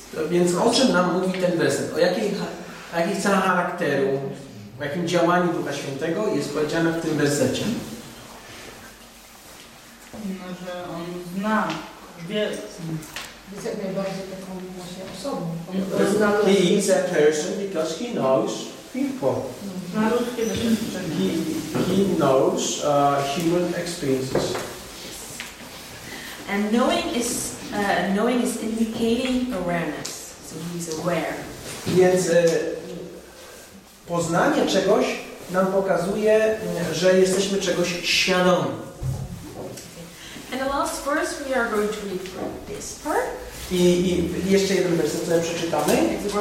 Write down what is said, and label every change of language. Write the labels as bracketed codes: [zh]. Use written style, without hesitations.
[pl] Więc o czym nam mówi ten werset? O jakiej cena charakteru, o jakim działaniu Ducha Świętego jest powiedziane w tym wersecie? No, że on zna, wie. Jest jak najbardziej taką właśnie osobą. [en] He is a person because he knows people. [pl] Na ludzkie doświadczenie. [en] He knows human experiences. And knowing is indicating awareness, so he is aware. [pl] Więc poznanie czegoś nam pokazuje, że jesteśmy czegoś świadomi. [en] And the last verse we are going to read from this part. [pl] I jeszcze jeden werset sobie przeczytamy.